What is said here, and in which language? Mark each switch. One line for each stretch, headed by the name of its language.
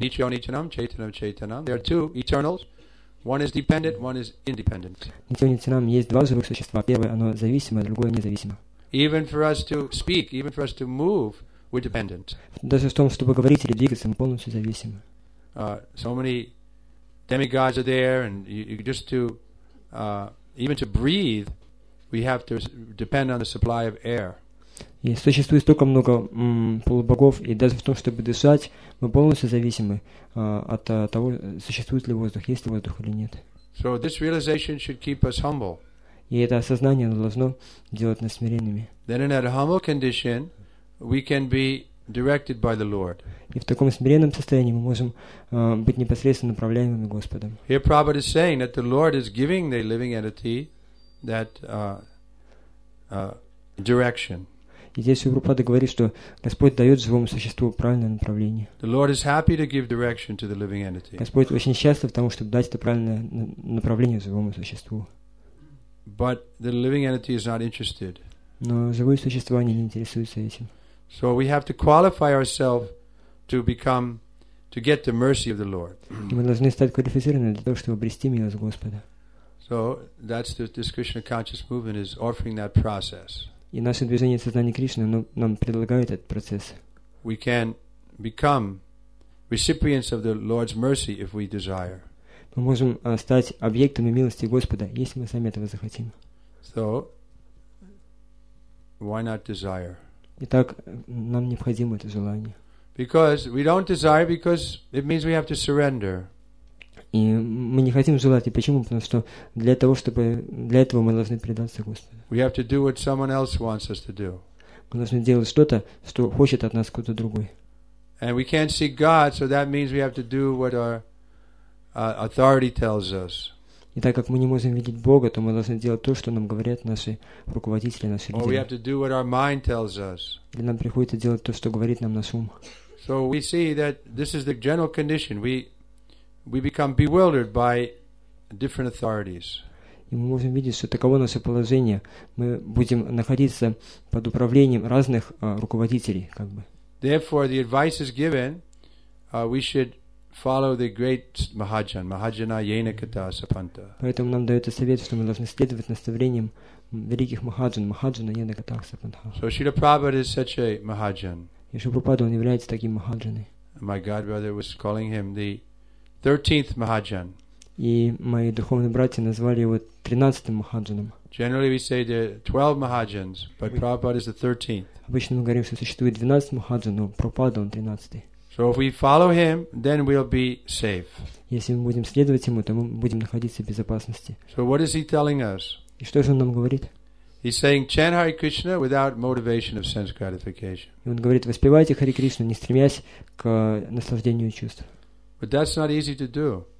Sanskrit: Nityo Nityanam, Chaitanam Chaitanam.
English: There are two eternals. One is dependent, one is independent.
Sanskrit: Nityo Nityanam,
Russian: есть два живых существа. Первое, оно зависимое, другое независимо.
English: Even for us to speak, even for us to move, we're dependent.
Russian: Даже в том, чтобы говорить или двигаться, мы полностью зависимы.
English: So many demigods are there, and you just to even to breathe, we have to depend on the supply of air.
Russian: И существует столько много полубогов, и даже в том, чтобы дышать, мы полностью зависимы от того, существует ли воздух, есть ли воздух или нет.
English: So this realization should keep us humble.
Russian: И это осознание должно делать нас смиренными.
English: Then in that humble condition, we can be directed by the Lord.
Russian: И в таком смиренном состоянии мы можем быть непосредственно направляемыми Господом.
English: Here Prabhupada is saying that the Lord is giving the living entity that direction.
Russian: И здесь Прабхупада говорит, что Господь дает живому существу правильное направление.
English: The Lord is happy to give direction to the living entity.
Russian: Господь очень счастлив тому, чтобы дать это правильное направление живому существу.
English: But the living entity is not interested.
Russian: Но живые существа они не интересуются этим.
English: So we have to qualify ourselves to get the mercy of the Lord.
Russian: Мы должны стать квалифицированными для того, чтобы обрести милость Господа.
English: So So that's the, this Krishna conscious movement is offering that process.
Russian: И наше движение сознания Кришны нам предлагает этот процесс.
English: We can become recipients of the Lord's mercy if we desire.
Russian: Мы можем стать объектами милости Господа, если мы сами этого захотим.
English: So why not desire?
Russian: Итак, нам необходимо это желание.
English: Because we don't desire because it means we have to surrender.
Russian: И мы не хотим желать. И почему? Потому что для того, чтобы для этого мы должны предаться Господу.
English: We have to do what someone else wants us to do.
Russian: Мы должны делать что-то, что хочет от нас кто-то другой.
English: And we can't see God, so that means we have to do what our authority tells us.
Russian: И так как мы не можем видеть Бога, то мы должны делать то, что нам говорят наши руководители, наши лидеры.
English: Or we have to do what our mind tells us.
Russian: Или нам приходится делать то, что говорит нам наш ум.
English: So we see that this is the general condition. We become bewildered by different authorities.
Russian: И мы можем видеть, что таково наше положение. Мы будем находиться под управлением разных руководителей, как бы.
English: Therefore, the advice is given, we should follow the great Mahajan,
Sanskrit: Mahajana Yena Kata Sapanta.
Russian: Поэтому нам дается совет, что мы должны следовать наставлениям великих Mahajan,
Sanskrit: Mahajana Yena Kata Sapanta.
English: So Srila Prabhupada is such a Mahajan.
Russian: И Шрила Прабхупада, он является таким Mahajanой.
English: My godbrother was calling him the 13th Mahajan.
Russian: И мои духовные братья назвали его 13th Mahajanом.
English: Generally, we say there are 12 Mahajans, but Prabhupada is the 13th.
Russian: Обычно мы говорим, что существует 12 Mahajan, но Прабхупада он 13th.
English: So if we follow him, then we'll be safe.
Russian: Если мы будем следовать ему, то мы будем находиться в безопасности.
English: So what is he telling us?
Russian: И что же он нам говорит?
English: He's saying, "Chant Hare Krishna without motivation of sense gratification."
Russian: И он говорит, воспевайте Хари Кришну, не стремясь к наслаждению чувств.
English: But that's not easy to do.